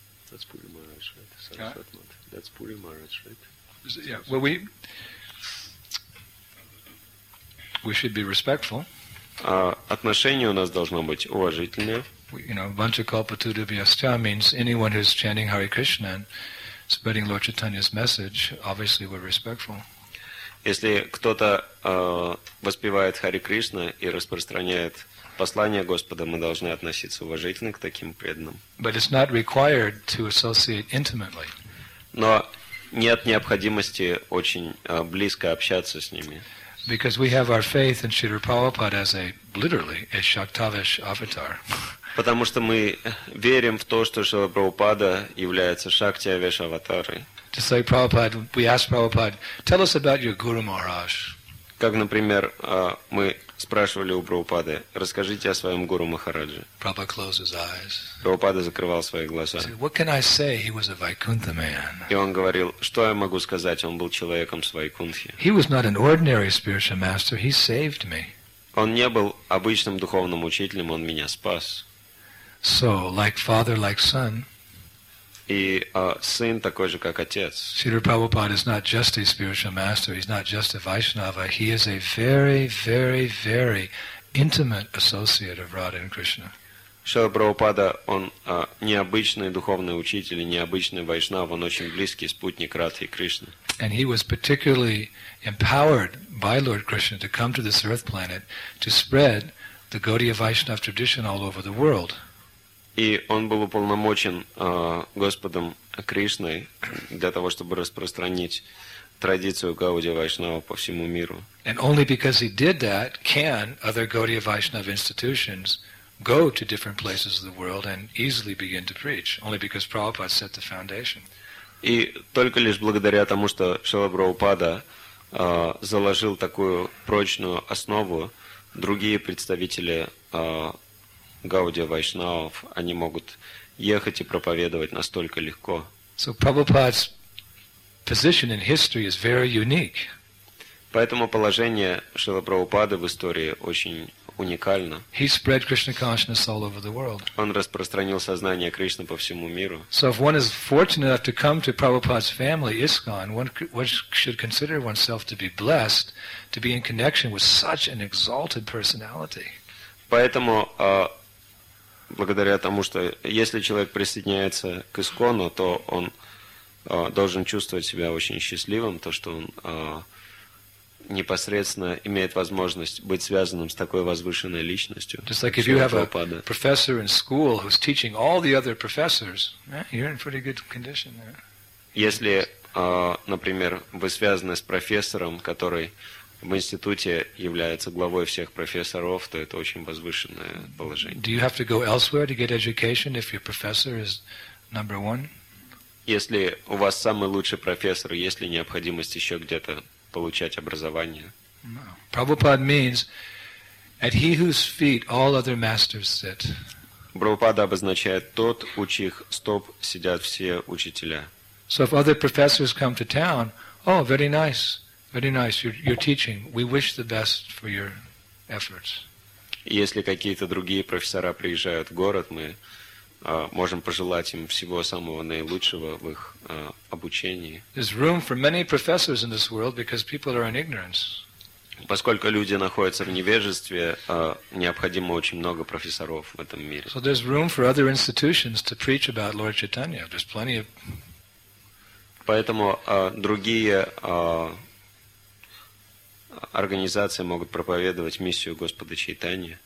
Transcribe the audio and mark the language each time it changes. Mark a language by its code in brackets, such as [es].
[en] That's Puri Maharaj, right? Saraswati Math. That's Puri Maharaj, right? Yeah. Well, we should be respectful. [ru] Отношение у нас должно быть уважительное. [en] You know, Vanchakalpatudabhyastha means anyone who's chanting Hare Krishna and spreading Lord Chaitanya's message, obviously we're respectful. [ru] Если кто-то воспевает Хари Кришна и распространяет послание Господа, мы должны относиться уважительно к таким преданным. [en] But it's not required to associate intimately. [ru] Но нет необходимости очень близко общаться с ними. [en] Because we have our faith in Srila Prabhupada as a literally a Shaktavesh avatar. [ru] Потому что мы верим в то, что Шрила Прабхупада является Шактиавеш аватарой. [en] Just like Prabhupada, we ask Prabhupada, tell us about your Guru Maharaj. [ru] Как, например, мы спрашивали у Прабхупады, расскажите о своем Гуру Махарадже. [en] Prabhupada closed his eyes. [ru] Прабхупада закрывал свои глаза. [en] Said, what can I say? He was a Vaikuntha man. [ru] И он говорил, что я могу сказать? Он был человеком с Вайкунтхи. [en] He was not an ordinary spiritual master. He saved me. [ru] Он не был обычным духовным учителем, он меня спас. [en] So, like father, like son. [ru] И сын такой же, как отец. [en] Srila Prabhupada is not just a spiritual master, he's not just a Vaishnava, he is a very, very, very intimate associate of Radha and Krishna. [ru] Srila Prabhupada, он необычный духовный учитель, необычный Вайшнава, он очень близкий спутник Радхи Кришны. [en] And he was particularly empowered by Lord Krishna to come to this earth planet to spread the Gaudiya Vaishnava tradition all over the world. [ru] И он был уполномочен Господом Кришной для того, чтобы распространить традицию Гаудия Вайшнава по всему миру. [en] And only because he did that can other Gaudiya Vaishnava institutions go to different places of the world and easily begin to preach. Only because Prabhupada set the foundation. [ru] И только лишь благодаря тому, что Шрила Прабхупада заложил такую прочную основу, другие представители Гаудия Вайшнавов, они могут ехать и проповедовать настолько легко. [en] So Prabhupada's position in history is very unique. [ru] Поэтому положение Шрилы Прабхупады в истории очень уникально. [en] He spread Krishna consciousness all over the world. [ru] Он распространил сознание Кришны по всему миру. [en] So if one is fortunate enough to come to Prabhupada's family, ISKCON, one should consider oneself to be blessed to be in connection with such an exalted personality. [ru] Поэтому благодаря тому, что если человек присоединяется к ИСКОНу, то он должен чувствовать себя очень счастливым, то, что он непосредственно имеет возможность быть связанным с такой возвышенной личностью. [en] Just like if you have a professor in school who's teaching all the other professors, you're in pretty good condition there. [ru] Если, например, вы связаны с профессором, который в институте является главой всех профессоров, то это очень возвышенное положение. [en] Do you have to go elsewhere to get education if your professor is number one? [ru] Если у вас самый лучший профессор, есть ли необходимость еще где-то получать образование? [en] No. Prabhupada means, at he whose feet all other masters sit. [ru] Прабхупада обозначает тот, у чьих стоп сидят все учителя. [en] So if other professors come to town, oh, very nice. Very nice, you're teaching. We wish the best for your efforts. [ru] Если какие-то другие профессора приезжают в город, мы можем пожелать им всего самого наилучшего в их обучении. [en] There's room for many professors in this world because people are in ignorance. [ru] Поскольку люди находятся в невежестве, необходимо очень много профессоров в этом мире. [en] So there's room for other institutions to preach about Lord Chaitanya. There's plenty of. [ru] Поэтому другие организации могут проповедовать миссию Господа Чайтанья.